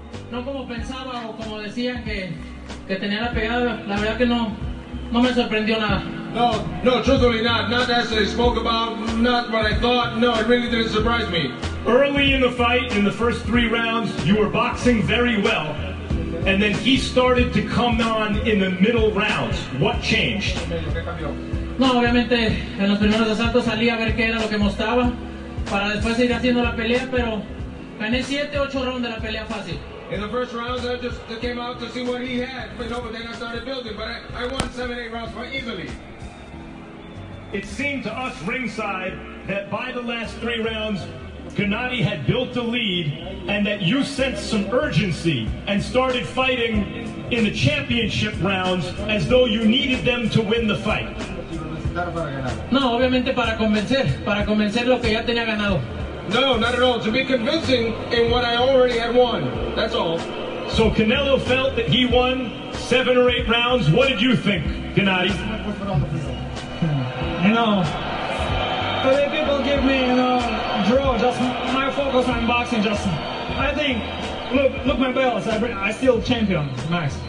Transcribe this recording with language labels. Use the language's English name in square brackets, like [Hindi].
[Spanish] No como pensaba o como decían que tenía la pegada. La verdad que no. No me sorprendió nada. [English] No, truthfully not. Not as they spoke about, not what I thought. No, it really didn't surprise me. Early in the fight, in the first three rounds, you were boxing very well. And then he started to come on in the middle rounds. What changed? [Spanish] No, obviamente, en los primeros asaltos salí a ver qué era lo que mostraba para después ir haciendo la pelea, pero gané 7-8 rounds de la pelea fácil. [English] In the first rounds, I just came out to see what he had, but then I started building, but I won 7-8 rounds quite easily. It seemed to us ringside that by the last three rounds, Gennady had built the lead, and that you sensed some urgency and started fighting in the championship rounds as though you needed them to win the fight? [Spanish] No, obviamente para convencer lo que ya tenía ganado. [English] No, not at all. To be convincing in what I already had won. That's all. So Canelo felt that he won 7 or 8 rounds. What did you think, Gennady? No. But if people give me, you know, draw, just my focus on boxing, just, I think, look my belts, I still champion, Max.